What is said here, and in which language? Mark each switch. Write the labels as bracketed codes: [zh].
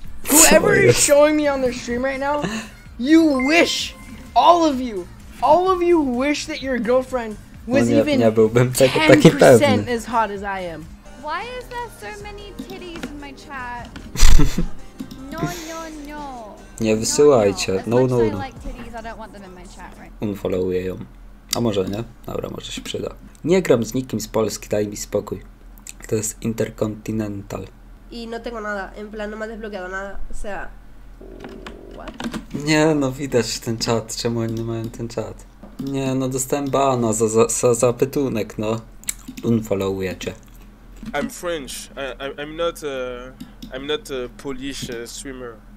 [en] Whoever is showing me on the stream right now, you wish, all of you wish that your girlfriend was even 10% as hot as I am. Why is there so many titties in my chat? No. [pl] Nie wysyłajcie, no. [en] I like titties, I don't want them in my chat, right? [pl] Unfollowuję ją. A może nie? Dobra, może się przyda. Nie gram z nikim z Polski, daj mi spokój. To jest Intercontinental. [es] I no tengo nada, en plan no me ha desbloqueado nada, o sea... [en] What? [pl] Nie, no widać ten czat, czemu oni nie mają ten czat. Nie, no dostałem bana za zapytunek, no. Unfollowuję cię. [en] I'm French, I'm not a Polish streamer.